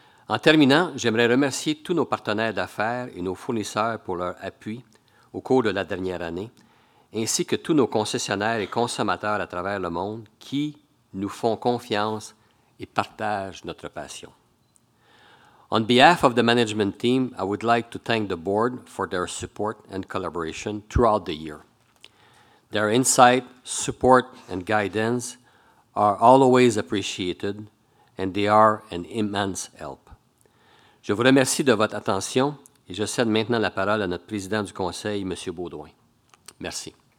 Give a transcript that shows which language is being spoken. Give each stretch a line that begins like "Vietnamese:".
French: En terminant, j'aimerais remercier tous nos partenaires d'affaires et nos fournisseurs pour leur appui au cours de la dernière année, ainsi que tous nos concessionnaires et consommateurs à travers le monde qui nous font confiance et partagent notre passion.
English: On behalf of the management team, I would like to thank the board for their support and collaboration throughout the year. Their insight, support, and guidance are always appreciated, and they are an immense help.
French: Je vous remercie de votre attention, et je cède maintenant la parole à notre président du conseil, M. Beaudoin. Merci.